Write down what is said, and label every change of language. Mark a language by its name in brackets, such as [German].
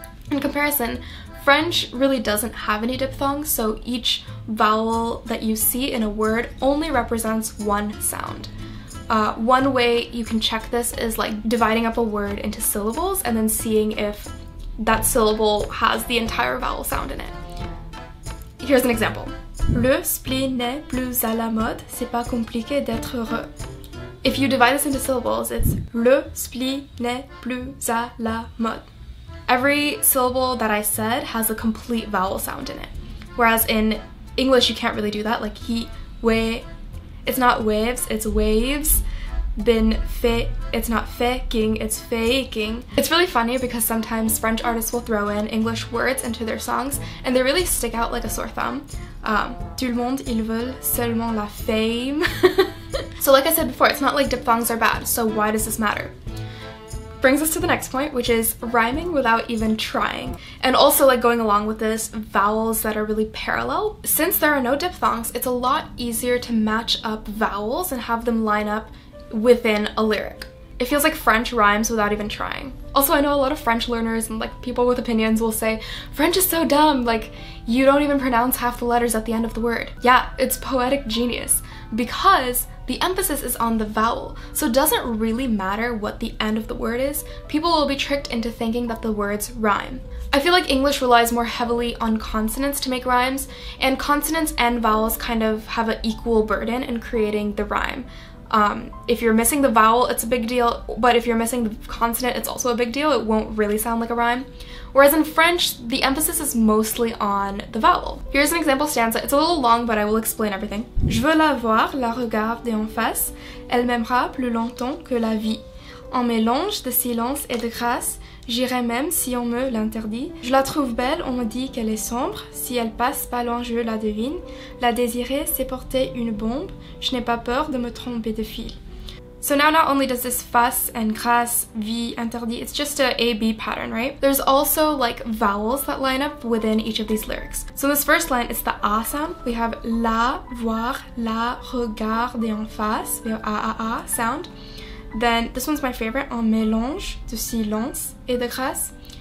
[English] In comparison, French really doesn't have any diphthongs, so each vowel that you see in a word only represents one sound. One way you can check this is like dividing up a word into syllables and then seeing if that syllable has the entire vowel sound in it. Here's an example. [French] Le spleen n'est plus à la mode, c'est pas compliqué d'être heureux. [English] If you divide this into syllables, it's le spleen n'est plus à la mode. Every syllable that I said has a complete vowel sound in it. Whereas in English, you can't really do that. Like heat, way, it's not waves, it's waves. Bin, fe, it's not faking, it's faking. It's really funny because sometimes French artists will throw in English words into their songs and they really stick out like a sore thumb. [French] Tout le monde, ils veulent seulement la fame. [English] So like I said before, it's not like diphthongs are bad. So why does this matter? Brings us to the next point, which is rhyming without even trying. And also like going along with this, vowels that are really parallel. Since there are no diphthongs, it's a lot easier to match up vowels and have them line up within a lyric. It feels like French rhymes without even trying. Also, I know a lot of French learners and like people with opinions will say, French is so dumb, like you don't even pronounce half the letters at the end of the word. Yeah, it's poetic genius because the emphasis is on the vowel, so it doesn't really matter what the end of the word is. People will be tricked into thinking that the words rhyme. I feel like English relies more heavily on consonants to make rhymes, and consonants and vowels kind of have an equal burden in creating the rhyme. If you're missing the vowel, it's a big deal, but if you're missing the consonant, it's also a big deal. It won't really sound like a rhyme. Whereas in French, the emphasis is mostly on the vowel. Here's an example stanza. It's a little long, but I will explain everything. [French] Je veux la voir, la regarder en face. Elle m'aimera plus longtemps que la vie. En mélange de silence et de grâce, j'irai même si on me l'interdit. Je la trouve belle, on me dit qu'elle est sombre. Si elle passe pas loin, je la devine. La désirer, c'est porter une bombe. Je n'ai pas peur de me tromper de fil. [English] So now not only does this fuss and grâce, vie, interdit, it's just an A-B pattern, right? There's also like vowels that line up within each of these lyrics. So this first line is the A sound. We have la, voir, la, regarder en face. We have A-A-A sound. Then this one's my favorite, en mélange de silence et de grâce.